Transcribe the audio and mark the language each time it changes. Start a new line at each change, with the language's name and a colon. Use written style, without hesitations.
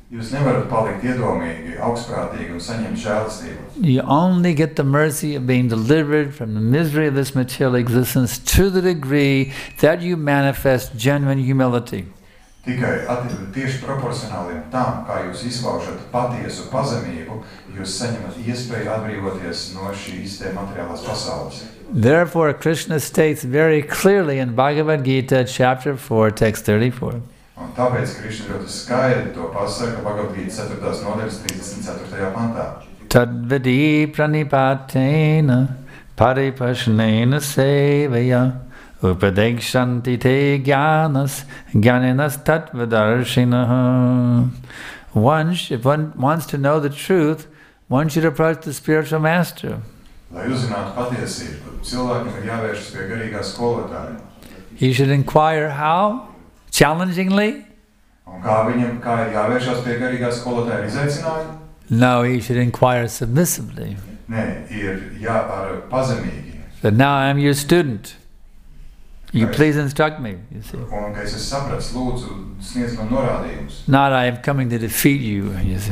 English: You only get the mercy of being delivered from the misery of this material existence to the degree that you manifest genuine humility.
Latvian: Tikai tieši proporcionāli tam, kā jūs izvaužat patiesu pazemību, jūs saņemat iespēju atbrīvoties no šīs te materiālās pasaules.
English: Therefore, Krishna states very clearly in Bhagavad Gita, chapter 4, text 34.
Latvian: Un tāpēc Krishna ļoti skaidri to pasaka Bhagavad Gita 4. nodaļas 34. pantā.
Sanskrit: Tadvidī pranipātena paripaśnena sevaya upadekshanti te jñānas jñāninas tatvadarshinah.
English: If one wants to know the truth, one should approach the spiritual master.
Latvian: Lai uzzinātu patiesību, cilvēkam ir jāvēršas pie garīgā skolotāja.
English: He should inquire how, challengingly.
Latvian: Un kā ir jāvēršas pie garīgā skolotāja, izaicinājumu?
English: No, he should inquire submissively.
Latvian: Nē, ir jāpār pazemīgi.
English: But now I'm your student. You please instruct me, you see.
Latvian: Un, ka es sapratu, lūdzu, sniedz man norādījumus.
English: Not I am coming to defeat you, you see.